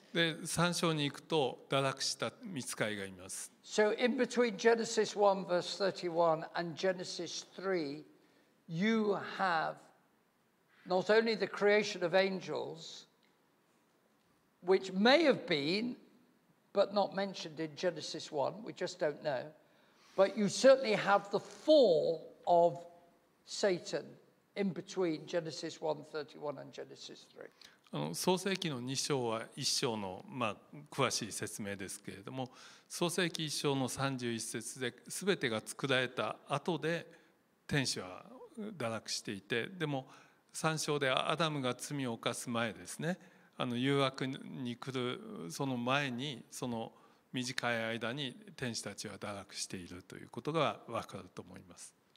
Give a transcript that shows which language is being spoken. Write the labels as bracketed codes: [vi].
[ja] で、3章に行くと堕落した御使いがいます。 [en] So in between Genesis 1 verse 31 and Genesis 3, you have not only the creation of angels, which may have been, but not mentioned in Genesis 1, we just don't know, but you certainly have the fall of Satan in between Genesis 1:31 and Genesis 3. [ja] 創世記の2章は1章の、まあ、詳しい説明ですけれども、創世記1章の31節で全てが作られた後で天使は堕落していて、でも3章でアダムが罪を犯す前ですね、誘惑に来るその前に、その短い間に天使たちは堕落しているということが分かると思います。